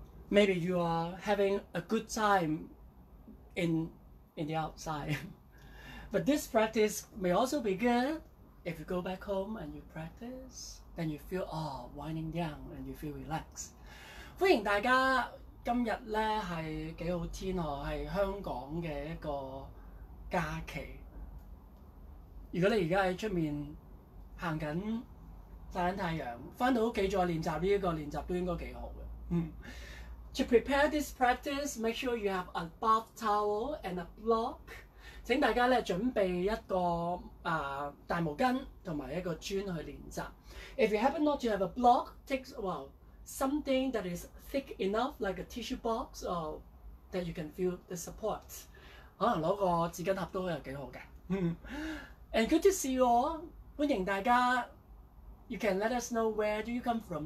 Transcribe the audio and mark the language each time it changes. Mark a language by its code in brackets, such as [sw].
[en] Maybe you are having a good time in the outside. But this practice may also be good if you go back home and you practice, then you feel winding down and you feel relaxed. [yue] 歡迎大家，今日咧係幾好天哦，係香港嘅一個假期。如果你而家喺出面行緊曬緊太陽，翻到屋企再練習呢一個練習都應該幾好嘅。 [en] To prepare this practice, make sure you have a bath towel and a block。 [yue] 請大家咧準備一個大毛巾同埋一個磚去練習。 [en] If you happen not to have a block, something that is thick enough, like a tissue box, or that you can feel the support. [yue] 可能攞個紙巾盒都有幾好嘅。 [en] And good to see you all. [yue] 歡迎大家。 [en] You can let us know where do you come from.